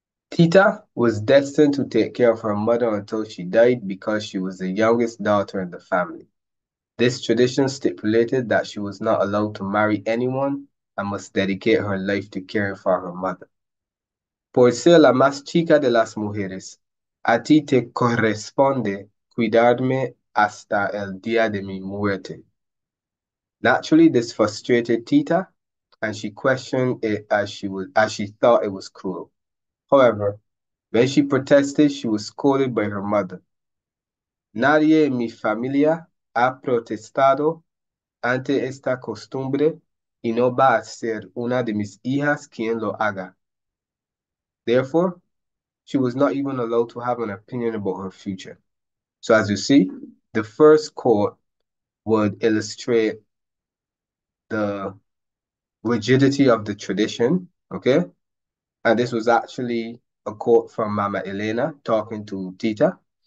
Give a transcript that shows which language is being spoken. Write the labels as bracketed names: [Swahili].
[English] Tita was destined to take care of her mother until she died because she was the youngest daughter in the family. This tradition stipulated that she was not allowed to marry anyone and must dedicate her life to caring for her mother. [Spanish] Por ser la más chica de las mujeres, a ti te corresponde cuidarme hasta el día de mi muerte. [English] Naturally, this frustrated Tita, and she questioned it as she thought it was cruel. However, when she protested, she was scolded by her mother. [Spanish] Nadie en mi familia ha protestado ante esta costumbre y no va a ser una de mis hijas quien lo haga. [English] Therefore, she was not even allowed to have an opinion about her future. So, as you see, the first quote would illustrate the rigidity of the tradition, okay? And this was actually a quote from Mama Elena talking to Tita.